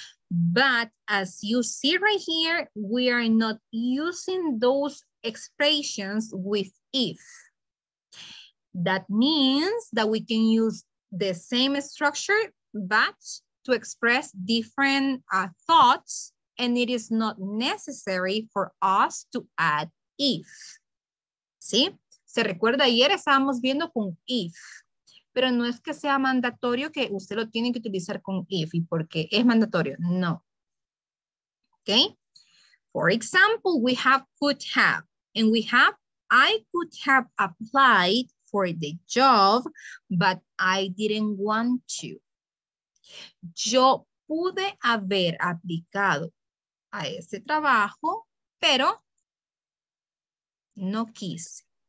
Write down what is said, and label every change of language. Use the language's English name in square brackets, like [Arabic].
[English] But as you see right here, we are not using those expressions with if. That means that we can use the same structure, but to express different thoughts, and it is not necessary for us to add if. [Spanish] ¿Sí? Se recuerda, ayer estábamos viendo con if, pero no es que sea mandatorio que usted lo tiene que utilizar con if, y porque es mandatorio, no. [English] Okay? For example, we have could have, and we have, I could have applied for the job, but I didn't want to. [Spanish] Yo pude haber aplicado a ese trabajo, pero no quise.